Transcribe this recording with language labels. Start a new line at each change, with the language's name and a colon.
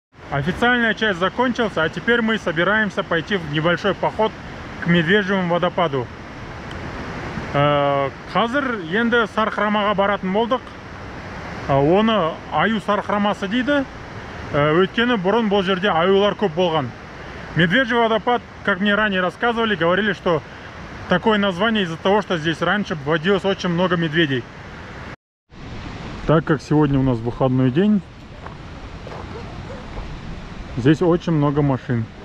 Russian: Официальная часть закончилась, а теперь мы собираемся пойти в небольшой поход к Медвежьему водопаду.
Kazakh: Қазір енді сарқырамаға баратын болдық. Оны аю сарқырамасы дейді. Өйткені бұрын бұл жерде аюлар көп болған.
Russian: Медвежий водопад, как мне ранее рассказывали, говорили, что такое название из-за того, что здесь раньше водилось очень много медведей. Так как сегодня у нас выходной день, здесь очень много машин.